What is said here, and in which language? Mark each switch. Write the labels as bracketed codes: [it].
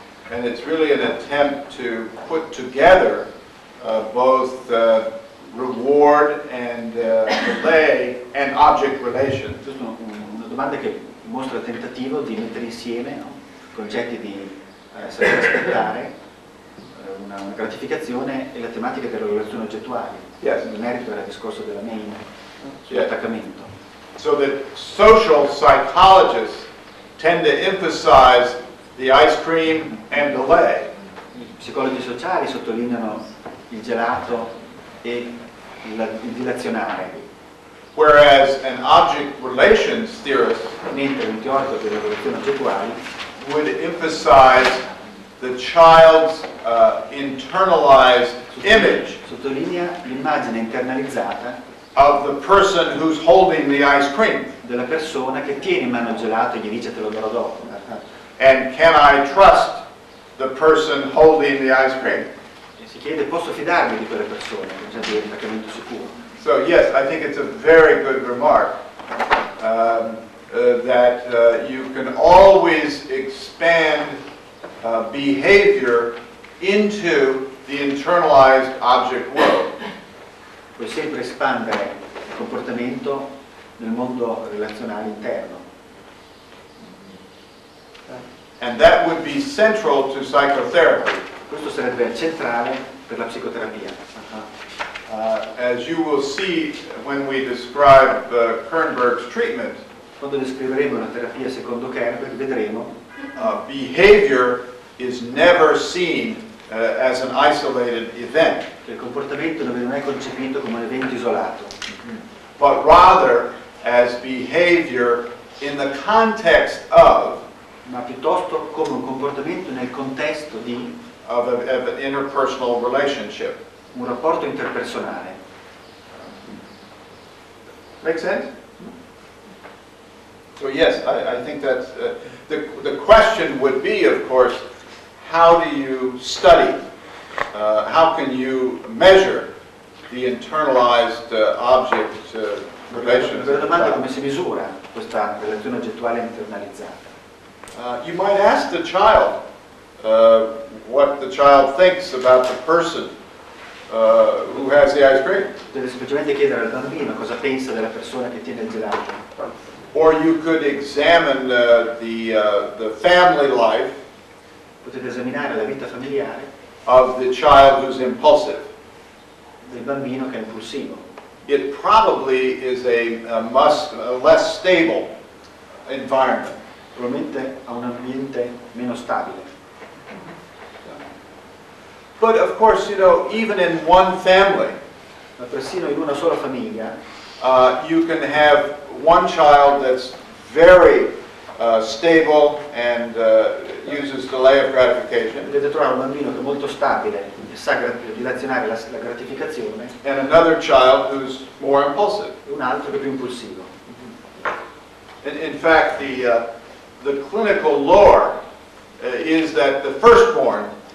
[en] And it's really an attempt to put together both reward and delay and object relation. [it] Questa è una domanda che mostra il tentativo di mettere insieme, no? Concetti di saper aspettare, una gratificazione e la tematica della relazione oggettuale. [en] Yes. [it] In merito al discorso della main, sull'attaccamento. [en] So the social psychologists tend to emphasize the ice cream and delay. [it] I psicologi sociali sottolineano il gelato e il dilazionare. [en] Whereas an object relations theorist, [it] mentre un teorico delle relazioni oggettuali, [en] would emphasize the child's internalized image, [it] sottolinea l'immagine internalizzata [en] of the person who's holding the ice cream, [it] della persona che tiene in mano il gelato e gli dice te lo darò dopo. [en] And can I trust the person holding the ice cream? [it] Si chiede posso fidarmi di quelle persone, già di attaccamento sicuro. [en] So yes, I think it's a very good remark that you can always expand behavior into the internalized object world. [it] Puoi sempre espandere il comportamento nel mondo relazionale interno. [en] And that would be central to psychotherapy. [it] Questo sarebbe centrale per la psicoterapia. [en] As you will see when we describe Kernberg's treatment, [it] quando descriveremo la terapia secondo Kernberg, vedremo [en] behavior is never seen as an isolated event. [it] Il comportamento non viene mai concepito come un evento isolato. [en] But rather as behavior in the context of, [it] ma piuttosto come un comportamento nel contesto di, [en] of an interpersonal relationship, [it] un rapporto interpersonale. [en] Make sense? So yes, I think that the question would be, of course, how do you study? How can you measure the internalized object relationship? [it] La domanda è come si misura questa relazione oggettuale internalizzata. [en] You might ask the child what the child thinks about the person who has the ice cream. [it] Deve semplicemente chiedere al bambino cosa pensa della persona che tiene il gelato. [en] Or you could examine the family life. [it] Potete esaminare la vita familiare [en] of the child who's impulsive. [it] Del bambino che è impulsivo. [en] It probably is a less stable environment. [it] Probabilmente ha un ambiente meno stabile. [en] But of course, you know, even in one family, [it] ma persino in una sola famiglia, [en] you can have one child that's very stable and uses delay of gratification. [it] Potete trovare un bambino che è molto stabile e sa dilazionare la gratificazione. [en] And another child who's more impulsive. [it] Un altro che è più impulsivo. [en] In fact, the clinical lore is that the firstborn.